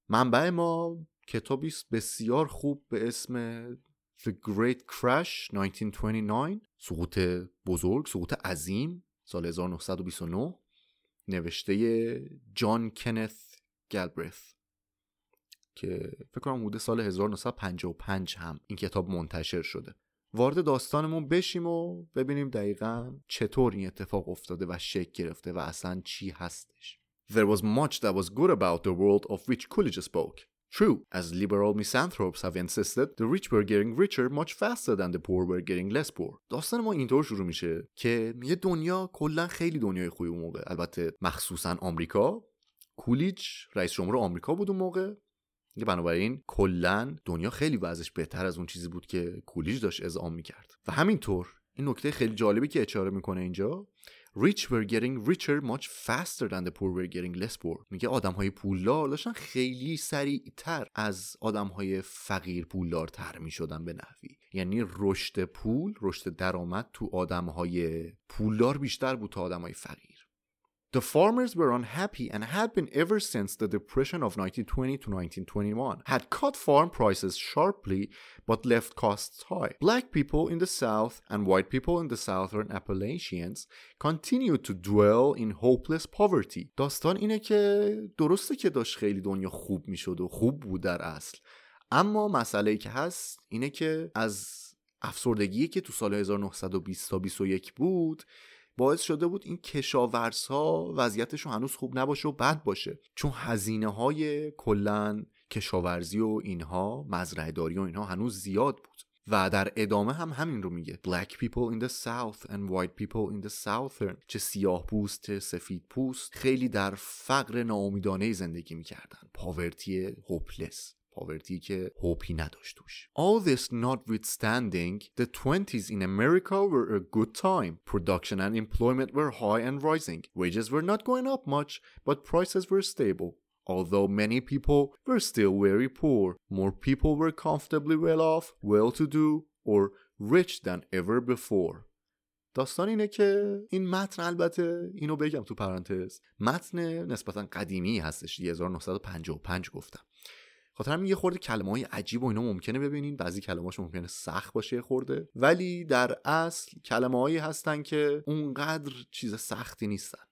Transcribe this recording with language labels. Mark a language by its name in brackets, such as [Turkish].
[Persian] منبع ما کتابی است بسیار خوب به اسم The Great Crash 1929، سقوط بزرگ، سقوط عظیم سال 1929، نوشته جان کنث گلبرث، که فکر کنم حدود سال 1955 هم این کتاب منتشر شده. وارد داستانمون بشیم و ببینیم دقیقاً چطور این اتفاق افتاده و شکل گرفته و اصلاً چی هستش. [English] There was much that was good about the world of which Coolidge spoke. True, as liberal misanthropes have insisted, the rich were getting richer much faster than the poor were getting less poor. [Persian] داستان ما اینطور شروع میشه که یه دنیا کلاً خیلی دنیای خوبی اون موقع، البته مخصوصاً آمریکا. کولیج رئیس جمهور آمریکا بود اون موقع. بنابراین کلن دنیا خیلی وضعش بهتر از اون چیزی بود که کولیج داشت ازعام میکرد. و همینطور این نکته خیلی جالبی که اشاره میکنه اینجا، Rich were getting richer much faster than the poor were getting less poor. میگه آدم های پولدار داشتن خیلی سریعتر از آدم های فقیر پولدارتر میشدن به نحوی. یعنی رشد پول، رشد درآمد تو آدم های پولدار بیشتر بود تا آدم های فقیر. [English] The farmers were unhappy and had been ever since the depression of 1920 to 1921, had cut farm prices sharply but left costs high. Black people in the South and white people in the Southern Appalachians continued to dwell in hopeless poverty. [Persian] داستان اینه که درسته که داشت خیلی دنیا خوب میشد و خوب بود در اصل، اما مسئله ای که هست اینه که از افسردگی که تو سال 1920 تا 21 بود باعث شده بود این کشاورزها وضعیتشون هنوز خوب نباشه و بد باشه، چون هزینه های کلن کشاورزی و اینها، مزرعه داری و اینها هنوز زیاد بود. و در ادامه هم همین رو میگه، Black people in the south and white people in the southern، چه سیاه پوست چه سفید پوست، خیلی در فقر ناامیدانه زندگی میکردن، پاورتی هوپلس، پاورتی که هوپی نداشت توش. [English] All this notwithstanding, the 20s in America were a good time. Production and employment were high and rising. Wages were not going up much, but prices were stable. Although many people were still very poor, more people were comfortably well off, well to do, or rich than ever before. [Persian] داستان اینه که این متن، البته اینو بگم تو پرانتز، متن نسبتا قدیمی هستش، 1955 گفتم. خاطرم یه خورده کلمه‌های عجیب و اینا ممکنه ببینین، بعضی کلمه‌هاش ممکنه سخت باشه خورده، ولی در اصل کلمه‌هایی هستن که اونقدر چیز سختی نیستن.